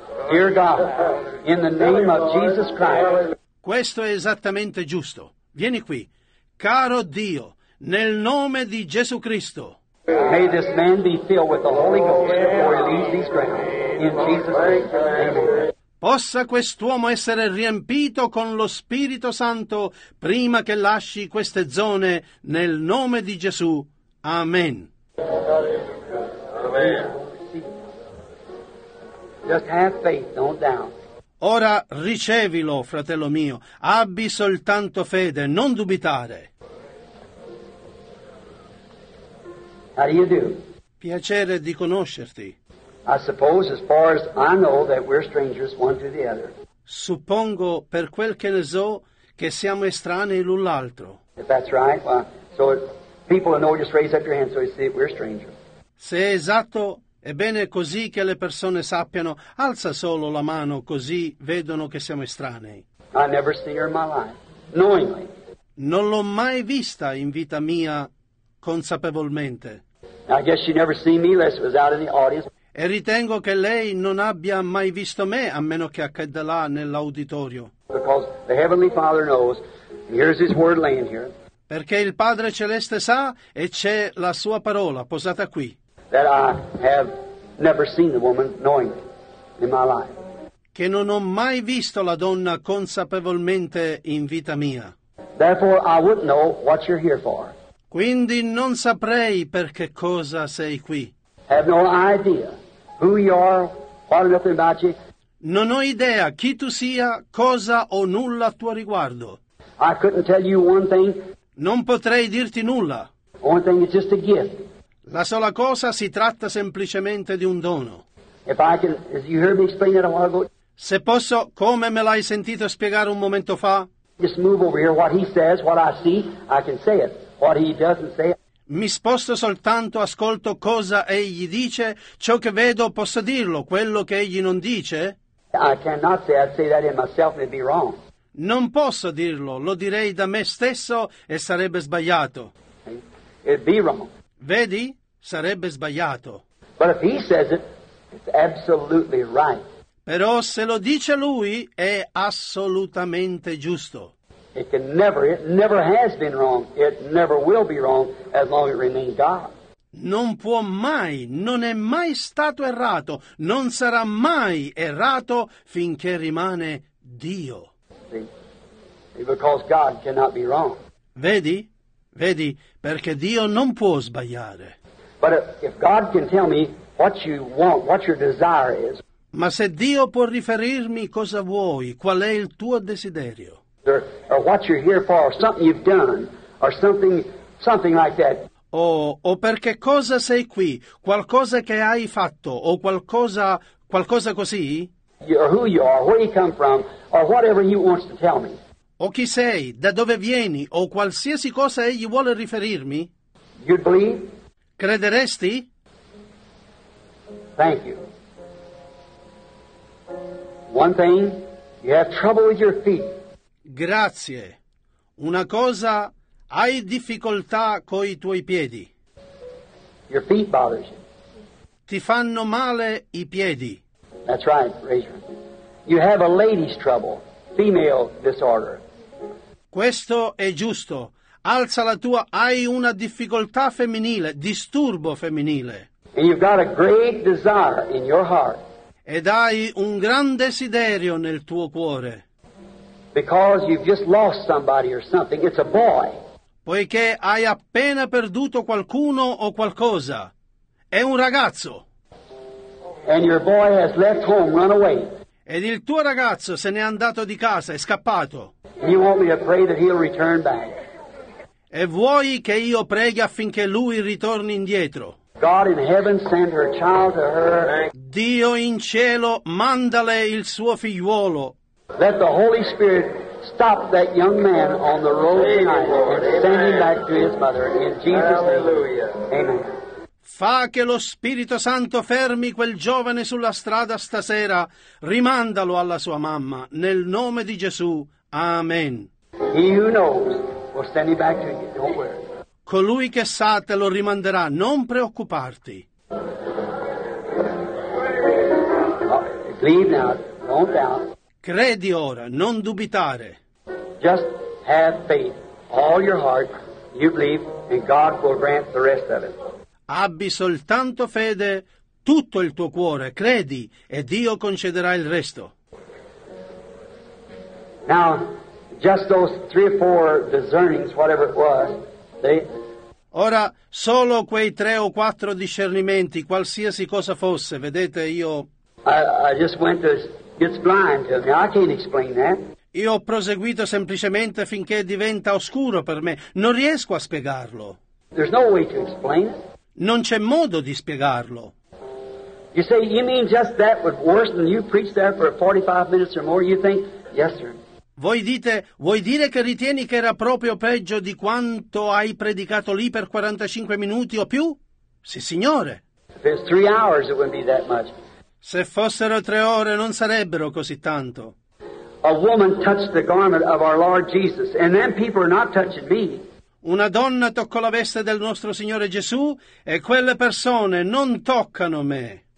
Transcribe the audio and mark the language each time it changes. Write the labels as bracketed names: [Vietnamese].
[English] Dear God, in the name of Jesus Christ. [Italian] Questo è esattamente giusto. Vieni qui. Caro Dio, nel nome di Gesù Cristo. [English] May this man be filled with the Holy Ghost before he leaves these grounds. In Jesus' name. Amen. [Italian] Possa quest'uomo essere riempito con lo Spirito Santo prima che lasci queste zone, nel nome di Gesù. Amen. Amen. [English] Just have faith, don't doubt. [Italian] Ora ricevilo, fratello mio. Abbi soltanto fede, non dubitare. [English] How do you do? [Italian] Piacere di conoscerti. [English] I suppose, as far as I know, that we're strangers one to the other. [Italian] Suppongo, per quel che ne so, che siamo estranei l'un l'altro. [English] If that's right, well, so people who know just raise up your hand so you see we're strangers. [Italian] Se è esatto, ebbene così che le persone sappiano, alza solo la mano così vedono che siamo estranei. [English] I never see her in my life, knowingly. [Italian] Non l'ho mai vista in vita mia, consapevolmente. [English] I guess she never seen me unless it was out in the audience. [Italian] E ritengo che lei non abbia mai visto me, a meno che accada là nell'auditorio. [English] Because the Heavenly Father knows, and here's His word laying here. [Italian] Perché il Padre Celeste sa, e c'è la sua parola posata qui. [English] That I have never seen the woman knowing in my life. [Italian] Che non ho mai visto la donna consapevolmente in vita mia. [English] Therefore I wouldn't know what you're here for. [Italian] Quindi non saprei per che cosa sei qui. [English] Have no idea who you are, what nothing about you. [Italian] Non ho idea chi tu sia, cosa o nulla a tuo riguardo. [English] I couldn't tell you one thing. [Italian] Non potrei dirti nulla. [English] One thing is just a gift. [Italian] La sola cosa, si tratta semplicemente di un dono. [English] If I can, as you heard me explain it a while ago. [Italian] Se posso, come me l'hai sentito spiegare un momento fa? [English] Just move over here. What he says, what I see, I can say it. What he doesn't say. [Italian] Mi sposto soltanto, ascolto cosa egli dice, ciò che vedo posso dirlo, quello che egli non dice. [English] I cannot say, I'd say that in myself and it'd be wrong. [Italian] Non posso dirlo, lo direi da me stesso e sarebbe sbagliato. [English] It'd be wrong. [Italian] Vedi? Sarebbe sbagliato. [English] But if he says it, it's absolutely right. [Italian] Però se lo dice lui, è assolutamente giusto. [English] It can never, it never has been wrong, it never will be wrong as long as it remains God. [Italian] Non può mai, non è mai stato errato, non sarà mai errato finché rimane Dio. [English] See? Because God cannot be wrong. [Italian] Vedi? Vedi? Perché Dio non può sbagliare. [English] But if God can tell me what you want, what your desire is. [Italian] Ma se Dio può riferirmi cosa vuoi, qual è il tuo desiderio? [English] Or what you're here for, or something you've done, or something like that. [Italian] O perché cosa sei qui, qualcosa che hai fatto, o qualcosa così? [English] Or who you are, where you come from, or whatever he wants to tell me. [Italian] O chi sei, da dove vieni, o qualsiasi cosa egli vuole riferirmi. [English] You'd believe? [Italian] Crederesti? [English] Thank you. One thing, you have trouble with your feet. [Italian] Grazie. Una cosa, hai difficoltà coi tuoi piedi. [English] Your feet bother you. [Italian] Ti fanno male i piedi. [English] That's right, raise your hand. You have a lady's trouble, female disorder. [Italian] Questo è giusto. Alza la tua, hai una difficoltà femminile, disturbo femminile. [English] And you've got a great desire in your heart. [Italian] Ed hai un gran desiderio nel tuo cuore. [English] Because you've just lost somebody or something. It's a boy. [Italian] Poiché hai appena perduto qualcuno o qualcosa. È un ragazzo. [English] And your boy has left home, run away. [Italian] Ed il tuo ragazzo se n'è andato di casa, è scappato. [English] You want me to pray that he'll return back. [Italian] E vuoi che io preghi affinché lui ritorni indietro? [English] God in heaven send her child to her. [Italian] Dio in cielo mandale il suo figliuolo. [English] Let the Holy Spirit stop that young man on the road tonight and send him back to his mother in Jesus' name. Hallelujah. Amen. [Italian] Fa che lo Spirito Santo fermi quel giovane sulla strada stasera. Rimandalo alla sua mamma. Nel nome di Gesù. Amen. [English] He who knows will send him back to you. Don't worry. [Italian] Colui che sa te lo rimanderà. Non preoccuparti. [English] Believe now. Don't doubt. [Italian] Credi ora. Non dubitare. [English] Just have faith. All your heart. You believe and God will grant the rest of it. [Italian] Abbi soltanto fede, tutto il tuo cuore, credi, e Dio concederà il resto. [English] Now, just those three or four discernings, whatever it was, see? [Italian] Ora, solo quei tre o quattro discernimenti, qualsiasi cosa fosse, vedete, io... [English] I just went to get blind to me, I can't explain that. [Italian] Io ho proseguito semplicemente finché diventa oscuro per me, non riesco a spiegarlo. [English] There's no way to explain it. [Italian] Non c'è modo di spiegarlo. [English] You say you mean just that would worsen. You preach there for 45 minutes or more. You think, yes, sir. [Italian] Voi dite, vuoi dire che ritieni che era proprio peggio di quanto hai predicato lì per 45 minuti o più? Sì, signore. [English] If it's 3 hours, it wouldn't be that much. [Italian] Se fossero 3 ore, non sarebbero così tanto. [English] A woman touched the garment of our Lord Jesus, and then people are not touching me. [Italian] Una donna toccò la veste del nostro Signore Gesù e quelle persone non toccano me.